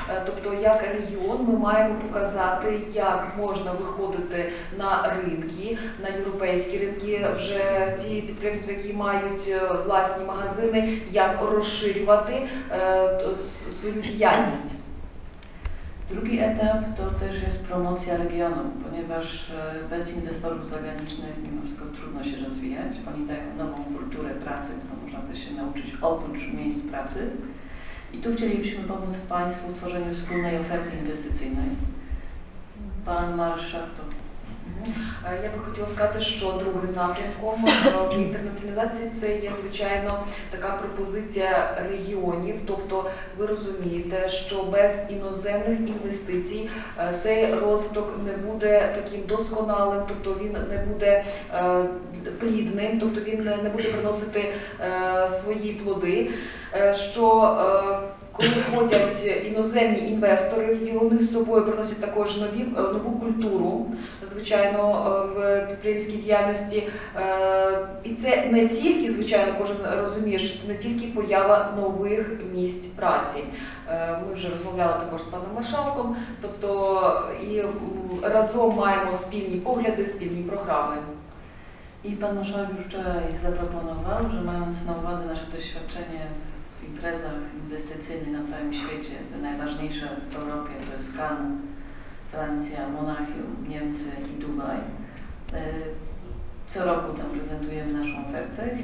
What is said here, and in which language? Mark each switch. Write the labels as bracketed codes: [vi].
[uk] Тобто, як регіон, ми маємо показати, як можна виходити на ринки, на європейські ринки, вже ті підприємства, які мають власні магазини, як розширювати свою діяльність. Другий етап – то теж є промоція регіону, [pl] ponieważ [uk] без інвесторів зовнішніх [pl] trudno się rozwijać. Oni dają nową kulturę pracy, którą można też się nauczyć oprócz miejsc pracy. I tu chcielibyśmy pomóc Państwu w tworzeniu wspólnej oferty inwestycyjnej. Pan marszał to. [uk] Я би хотіла сказати, що другим напрямком інтернаціоналізації – це є, звичайно, така пропозиція регіонів. Тобто ви розумієте, що без іноземних інвестицій цей розвиток не буде таким досконалим, тобто він не буде плідним, тобто він не буде приносити свої плоди. Що коли ходять іноземні інвестори, і вони з собою приносять також нову культуру, звичайно, в підприємській діяльності. І це не тільки, звичайно, кожен розуміє, що це не тільки поява нових місць праці. Ми вже розмовляли також з паном Маршалком, тобто і разом маємо спільні погляди, спільні програми. [pl] I pan marszałek już wczoraj zaproponował, że mając na uwadze nasze doświadczenie w imprezach inwestycyjnych na całym świecie, te najważniejsze w Europie, to jest Cannes, Francja, Monachium, Niemcy i Dubaj, co roku tam prezentujemy naszą ofertę.